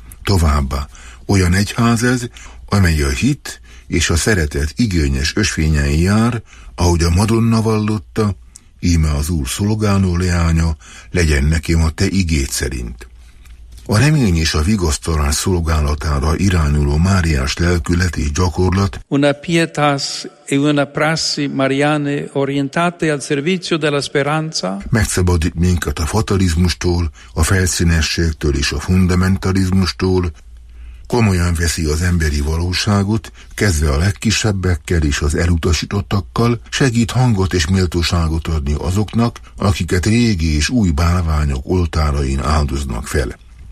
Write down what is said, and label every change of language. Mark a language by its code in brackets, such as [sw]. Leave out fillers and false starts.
[hu] Továbbá, olyan egyház ez, amely a hit és a szeretet igényes ösvényein jár, ahogy a Madonna vallotta, íme az Úr szolgáló leánya, legyen nekem a te igéd szerint. A remény és a vigasztalás szolgálatára irányuló máriás lelkületi gyakorlat [it] una pietas e una prassi mariane orientate al servizio della speranza [hu] megszabadít minket a fatalizmustól, a felszínességtől és a fundamentalizmustól, komolyan veszi az emberi valóságot, kezdve a legkisebbekkel és az elutasítottakkal, segít hangot és méltóságot adni azoknak, akiket régi és új bálványok oltárain áldoznak fel.